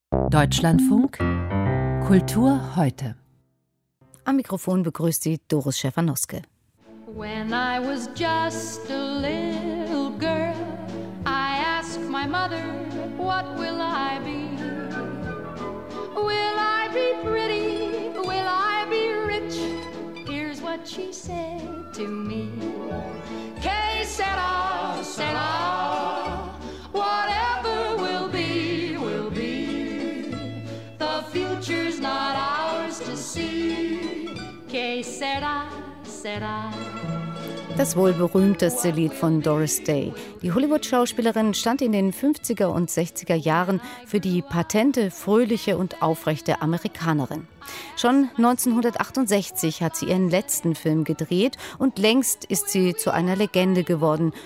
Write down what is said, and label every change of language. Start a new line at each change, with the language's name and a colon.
German: Deutschlandfunk Kultur heute. Am Mikrofon begrüßt sie Doris Schäfer-Noske.
English: When I was just a little girl, I asked my mother, what will I be? Will I be pretty? Will I be rich? Here's what she said to me.
Spanish: Que sera, sera.
English: Whatever will be, the future's not ours to see.
Spanish: Que sera, sera.
German: Das wohl berühmteste Lied von Doris Day. Die Hollywood-Schauspielerin stand in den 50er und 60er Jahren für die patente, fröhliche und aufrechte Amerikanerin. Schon 1968 hat sie ihren letzten Film gedreht und längst ist sie zu einer Legende geworden.